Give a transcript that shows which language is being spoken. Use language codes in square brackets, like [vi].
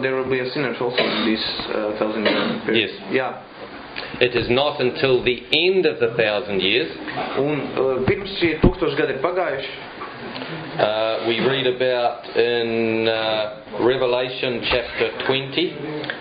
[en] there will be a sinner also in this 1,000 years. Yes. Yeah. It is not until the end of the 1,000 years. [lv] Un pirms šie tūkstoši gadi ir pagājuši. [en] We read about in Revelation chapter 20.